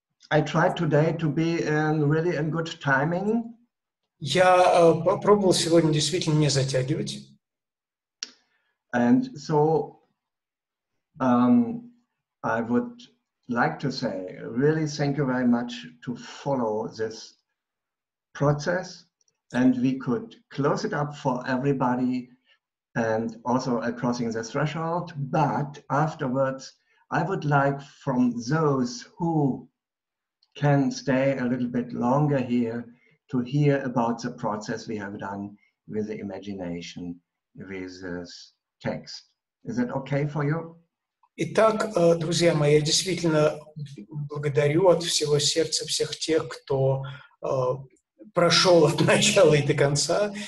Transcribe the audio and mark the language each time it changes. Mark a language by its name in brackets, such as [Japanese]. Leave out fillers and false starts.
[English] I tried today to be in really in good timing. [Russian] Я попробовал сегодня действительно не затягивать. [English] And so, I would like to say, really thank you very much to follow this process, and we could close it up for everybody, and also crossing the threshold. But afterwards, I would like from those who can stay a little bit longer here to hear about the process we have done with the imagination, with this text. Is that okay for you? [Russian] Итак, друзья мои, я действительно благодарю от всего сердца всех тех, кто прошел от начала и до конца.